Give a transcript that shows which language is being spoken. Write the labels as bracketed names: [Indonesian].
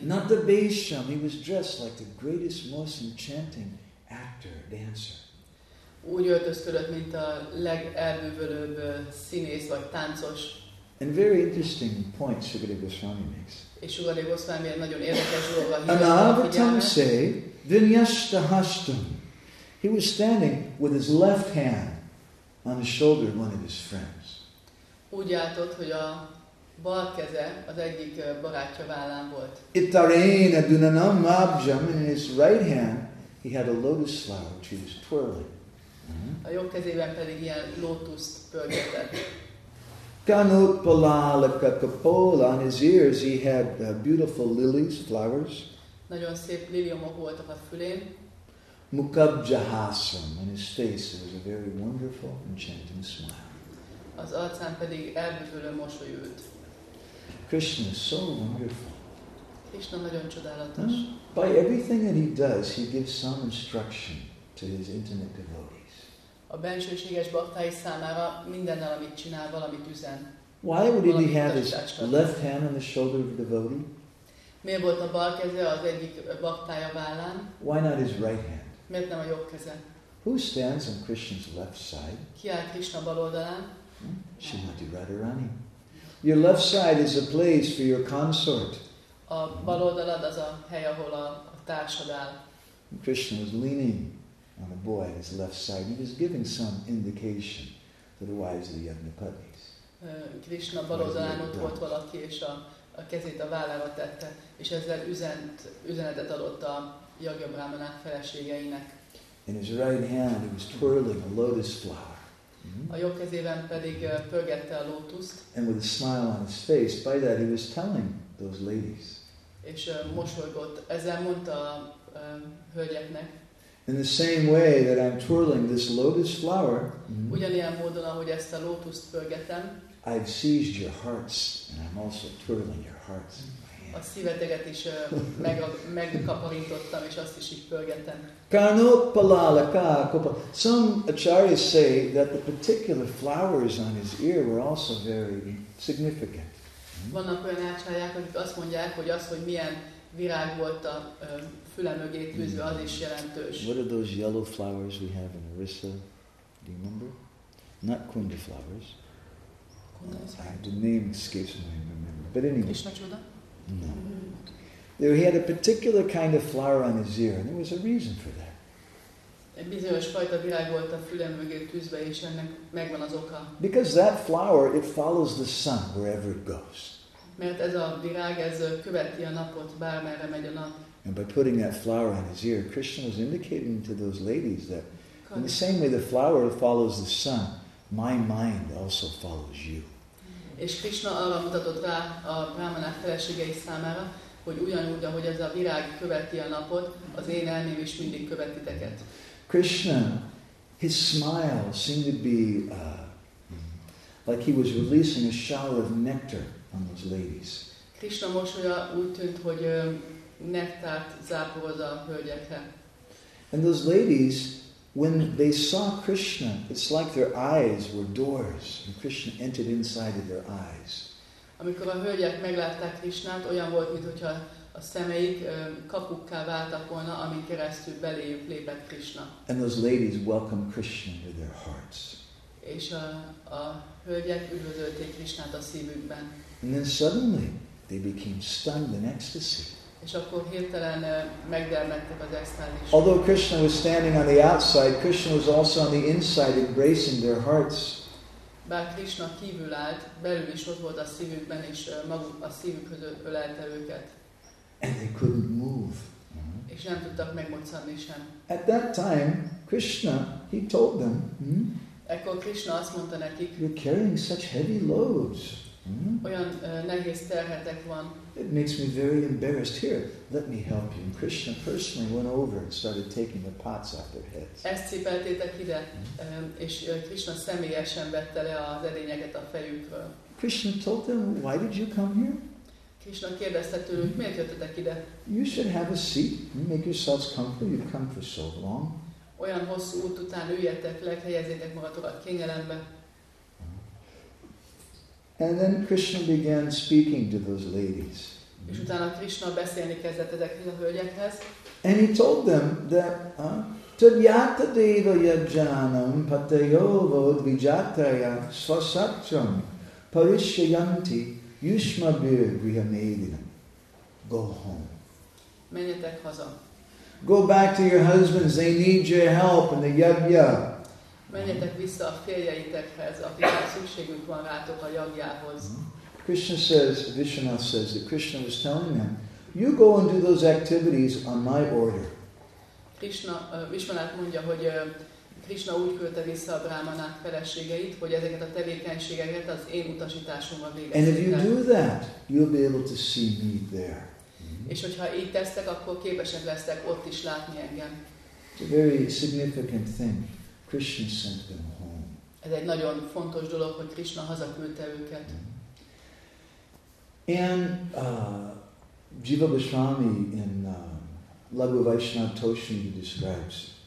[English] Not the Besham, he was dressed like the greatest, most enchanting actor, dancer. [Hungarian] Úgy öltözködött, mint a legelbűvölőbb színész vagy táncos. [English] And very interesting point Sukadeva Goswami makes. [Hungarian] És Sukadeva Goswami egy nagyon érdekes dolgot hívott a figyelmet. [Sanskrit] Anavatamse vinyashta hastam. [English] He was standing with his left hand on the shoulder of one of his friends. [Hungarian] Úgy álltott, hogy a bal keze az egyik barátja vállán volt. [Sanskrit] Ittarena dunanam abjam. [English] In his right hand, he had a lotus flower which he was twirling. [Hungarian] A jobb kezében pedig ilyen lótuszt pörgetett. [Sanskrit] Kanut palalaka kapola, [English] on his ears he had beautiful lilies, flowers. [Hungarian] Nagyon szép liliomok voltak a fülén. [English] Mukabjahasam, on his face there was a very wonderful, enchanting smile. [Hungarian] Az arcán pedig elbűvölő mosoly ült. [English] Krishna is so wonderful. [Hungarian] Krishna nagyon csodálatos. [English] By everything that he does, he gives some instruction to his intimate devotees. [Hungarian] A bensőséges baktái számára mindennel, amit csinál, valamit üzen. [English] Why would he have his left hand on the shoulder of a devotee? [Hungarian] Miért volt a bal keze az egyik baktája vállán? [English] Why not his right hand? [Hungarian] Miért nem a jobb keze? [English] Who stands on Krishna's left side? [Hungarian] Ki áll Krishna bal oldalán? [English] Srimati Radharani. Your left side is a place for your consort. [Hungarian] A bal oldalad az a hely, ahol a társad áll. [English] Krishna is leaning on the boy at his left side. He was giving some indication to the wives of the Yajnapatis. [Hungarian] Krishna bal oldalán ott volt valaki, és a kezét a vállára tette, és ezzel üzenetet adott a Yajna Brahmanák feleségeinek. [English] In his right hand he was twirling a lotus flower. [Hungarian] A jobb kezében pedig pörgette a lótuszt. [English] And with a smile on his face, by that he was telling those ladies. [Hungarian] És mosolygott, ezzel mondta a hölgyeknek. [English] In the same way that I'm twirling this lotus flower, [Hungarian] ugyanilyen módon, ahogy ezt a lótuszt pörgetem, [English] I've seized your hearts, and I'm also twirling your hearts in my hand. [Hungarian] A szíveteket is megkaparintottam, és azt is így pörgetem. [Sanskrit] Kanopalalaka kopa. [English] Some acharyas say that the particular flowers on his ear were also very significant. [Hungarian] Vannak olyan acharyák, akik azt mondják, hogy az, hogy milyen virág volt a füle mögé tűzve, az is jelentős. [English] What are those yellow flowers we have in Orissa? Do you remember? Not kunda flowers. The name escapes my memory. But anyway. Krishna Chuda? No. Mm-hmm. He had a particular kind of flower on his ear, and there was a reason for that. [Hungarian] Egy bizonyos fajta virág volt a füle mögé tűzve, és ennek megvan az oka. [English] Because that flower, it follows the sun wherever it goes. [Hungarian] Mert ez a virág, ez követi a napot, bármerre megy a nap. [English] And by putting that flower on his ear, Krishna was indicating to those ladies that in the same way the flower follows the sun, my mind also follows you. [Hungarian] És Krishna arra mutatott rá a brahmanák feleségei számára, hogy ugyanúgy, ahogy ez a virág követi a napot, az én elmém is mindig követi teket. [English] Krishna, his smile seemed to be like he was releasing a shower of nectar on those ladies. [Hungarian] Krishna mosolya úgy tűnt, hogy nektárt zápolt a hölgyekre. [English] And those ladies, when they saw Krishna, it's like their eyes were doors, and Krishna entered inside of their eyes. [Hungarian] Amikor a hölgyek meglátták Krishnát, olyan volt, mintha a szemeik kapukká váltak volna, amin keresztül beléjük lépett Krishna. [English] And those ladies welcomed Krishna with their hearts. [Hungarian] És a hölgyek üdvözölték Krishnát a szívükben. [English] And then suddenly, they became stunned in ecstasy. [Hungarian] És akkor hirtelen megdermedtek az extázisban. [English] Although Krishna was standing on the outside, Krishna was also on the inside embracing their hearts. [Hungarian] Bár Krishna kívül állt, belül is ott volt a szívükben, és maguk a szívükhöz ölelte őket. [English] And they couldn't move. [Hungarian] És nem tudtak megmozdulni sem. [English] At that time, Krishna, he told them, [Hungarian] Ekkor Krishna azt mondta nekik, [English] you're carrying such heavy loads. [Hungarian] Olyan nehéz terhetek van. [English] It makes me very embarrassed. Here, let me help you. And Krishna personally went over and started taking the pots off their heads. [Hungarian] Ezt cipeltétek ide, és Krishna személyesen vette le az edényeket a fejükről. [English] Krishna told them, why did you come here? [Hungarian] Krishna kérdezte tőlük, miért jöttetek ide? [English] You should have a seat. Make yourselves comfortable. You've come for so long. [Hungarian] Olyan hosszú út után üljetek le, helyezzétek magatokat kényelembe. [English] And then Krishna began speaking to those ladies. [Hungarian] És utána Krishna beszélni kezdett ezekhez a hölgyekhez. [English] And he told them that [Sanskrit] tadyata deva yajjanam patayo vod vijataya svasatram parishyanti yushmabir vihamedinam. [English] Go home. [Hungarian] Menjetek haza. [English] Go back to your husbands, they need your help in the yajna. [Hungarian] Menjetek vissza a férjeitekhez, akiknek szükségük van rátok a jagjához. [English] Krishna says, Vishwanath says that Krishna was telling them, you go and do those activities on my order. [Hungarian] Krishna, Vishwanath mondja, hogy Krishna úgy küldte vissza a brahmanák feleségeit, hogy ezeket a tevékenységeket az én utasításommal végezzék. [English] And if you do that, you'll be able to see me there. [Hungarian] És hogyha így tesztek, akkor képesek lesztek ott is látni engem. [English] It's a very significant thing. Krishna sent them home. [Hungarian] Ez egy nagyon fontos dolog, hogy Krishna hazaküldte őket. [English] And Jiva Goswami in Laghu Vaishnava Toshani describes.